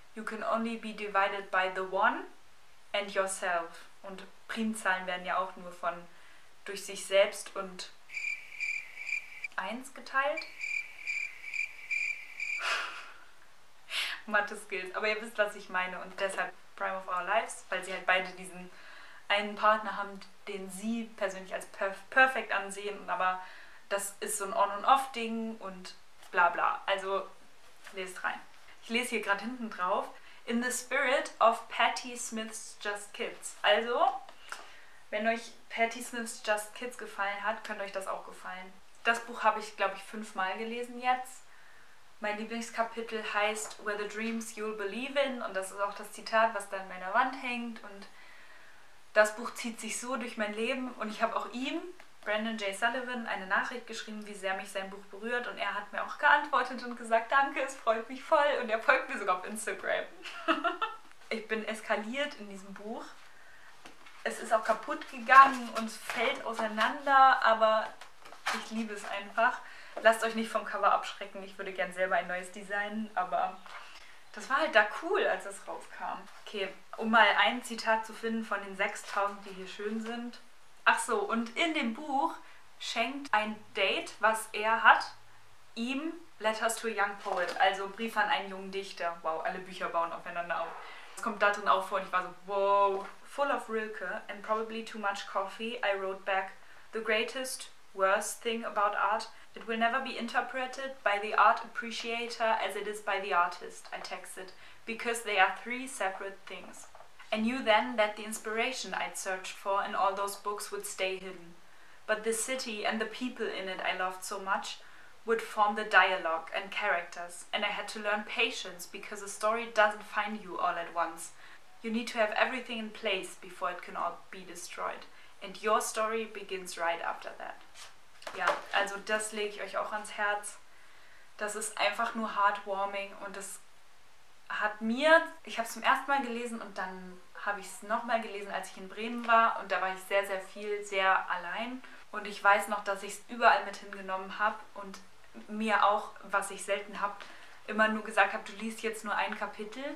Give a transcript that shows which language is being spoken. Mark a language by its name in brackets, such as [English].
[English] You can only be divided by the one and yourself. [German] Und Primzahlen werden ja auch nur von durch sich selbst und 1 geteilt. Mathe Skills. Aber ihr wisst, was ich meine. Und deshalb Prime of Our Lives, weil sie halt beide diesen einen Partner haben, den sie persönlich als perfekt ansehen. Aber das ist so ein On-and-Off-Ding und bla bla. Also lest rein. Ich lese hier gerade hinten drauf. In the spirit of Patti Smith's Just Kids. Also, wenn euch Patti Smith's Just Kids gefallen hat, könnte euch das auch gefallen. Das Buch habe ich, glaube ich, 5-mal gelesen jetzt. Mein Lieblingskapitel heißt Where the Dreams You'll Believe In. Und das ist auch das Zitat, was da an meiner Wand hängt. Und das Buch zieht sich so durch mein Leben. Und ich habe auch ihm, Brandon J. Sullivan, eine Nachricht geschrieben, wie sehr mich sein Buch berührt. Und er hat mir auch geantwortet und gesagt, danke, es freut mich voll. Und er folgt mir sogar auf Instagram. Ich bin eskaliert in diesem Buch. Es ist auch kaputt gegangen und fällt auseinander. Aber ich liebe es einfach. Lasst euch nicht vom Cover abschrecken. Ich würde gern selber ein neues designen, aber das war halt da cool, als es rauskam. Okay, um mal ein Zitat zu finden von den 6000, die hier schön sind. Ach so, und in dem Buch schenkt ein Date, was er hat, ihm Letters to a Young Poet, also Brief an einen jungen Dichter. Wow, alle Bücher bauen aufeinander auf. Das kommt da drin auch vor und ich war so, wow. [English] Full of Rilke and probably too much coffee, I wrote back the greatest, worst thing about art. It will never be interpreted by the art appreciator as it is by the artist, I texted, because they are three separate things. I knew then that the inspiration I'd searched for in all those books would stay hidden, but the city and the people in it I loved so much would form the dialogue and characters, and I had to learn patience because a story doesn't find you all at once. You need to have everything in place before it can all be destroyed, and your story begins right after that. [German] Ja, also das lege ich euch auch ans Herz. Das ist einfach nur heartwarming und das hat mir, ich habe es zum ersten Mal gelesen und dann habe ich es nochmal gelesen, als ich in Bremen war und da war ich sehr, sehr viel, sehr allein und ich weiß noch, dass ich es überall mit hingenommen habe und mir auch, was ich selten habe, immer nur gesagt habe, du liest jetzt nur ein Kapitel.